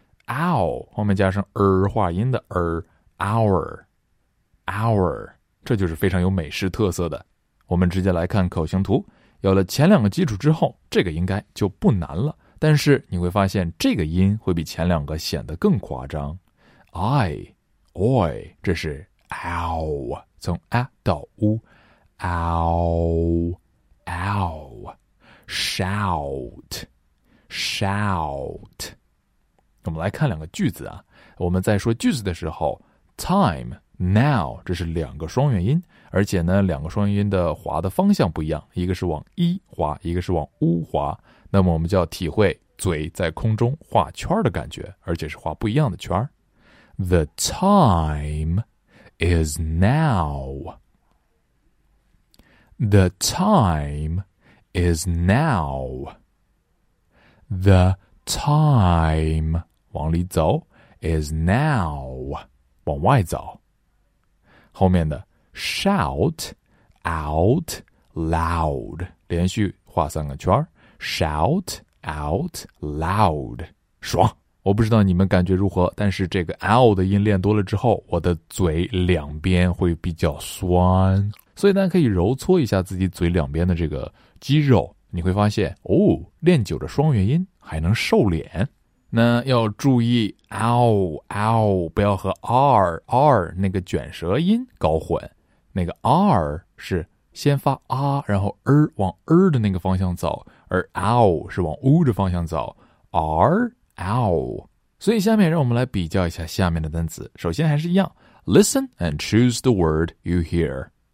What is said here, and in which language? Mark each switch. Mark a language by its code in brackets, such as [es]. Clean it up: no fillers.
[zh] Ow, 后面加上儿化音的儿 ,our, our, 这就是非常有美式特色的。我们直接来看口型图，有了前两个基础之后，这个应该就不难了。但是你会发现这个音会比前两个显得更夸张。 I, oi, 这是 ow, 从 a 到 u, ow, ow, shout, shout. 我们来看两个句子啊，我们在说句子的时候 time, now, 这是两个双元音，而且呢两个双元音的滑的方向不一样，一个是往 e 滑，一个是往 u 滑，那么我们就要体会嘴在空中画圈的感觉，而且是画不一样的圈。 [en] The time is now. The time is now. The time. [zh] 往里走 is now, 往外走。后面的 shout out loud, 连续画三个圈 shout out loud, 爽。我不知道你们感觉如何，但是这个 ow 的音练多了之后，我的嘴两边会比较酸。所以大家可以揉搓一下自己嘴两边的这个肌肉，你会发现哦，练久了双元音还能瘦脸。那要注意 ow, ow, 不要和 r, r 那个卷舌音搞混。那个 r 是先发 a, 然后 r 往 r 的那个方向走，而 ow 是往 u 的方向走。 r, ow。所以下面让我们来比较一下下面的单词。 [en] 首先还是一样 ,listen and choose the word you hear.